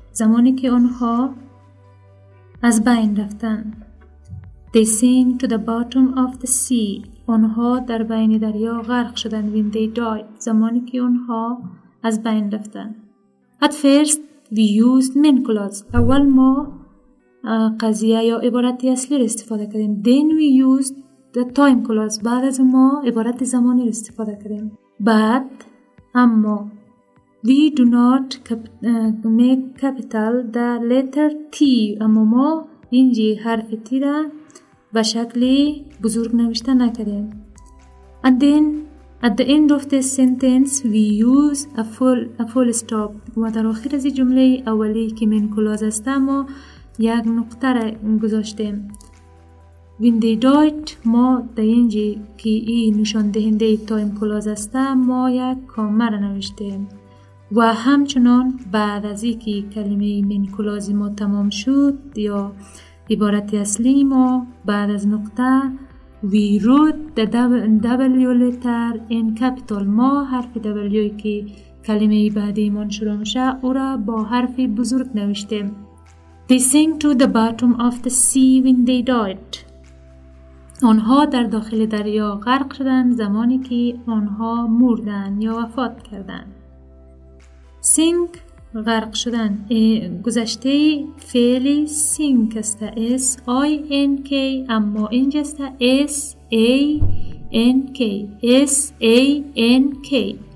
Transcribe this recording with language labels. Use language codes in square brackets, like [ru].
[fa] زمانی که آنها از بین رفتن. [en] They sink to the bottom of the sea. [fa] آنها در بین دریا غرق شدن. [en] When they died. [fa] زمانی که آنها از بین رفتن. [en] At first we used main clause. [fa] اول ما قضیه یا عبارت اصلی را استفاده کردیم. [en] Then we used the time clause. [fa] بعد از ما عبارت زمانی را استفاده کردیم. [en] But اما we do not make capital the letter T. [fa] اما ما اینجا حرف T را به شکل بزرگ نوشته نکردیم. [en] And then at the end of this sentence, we use a full stop. [fa] و در آخر از جمله اولی که من کلاز استم و یک نقطه را گذاشتیم. [en] When they died, [fa] ما در اینجا که این نشان دهنده تایم کلاز استم ما یک کامه را نوشتیم. و همچنان بعد از اینکه کلمه من کلاز ما تمام شد یا عبارت اصلی ما بعد از نقطه [en] we wrote the W letter in capital. [fa] ما حرف W که کلمه بعدی من شروع میشه او را با حرف بزرگ نوشتیم. [en] They sink to the bottom of the sea when they died. [fa] آنها در داخل دریا غرق شدن زمانی که آنها مردن یا وفات کردن. Sink غرق شدن گذشته فعل سینک است S-I-N-K اما اینجا است S-A-N-K S-A-N-K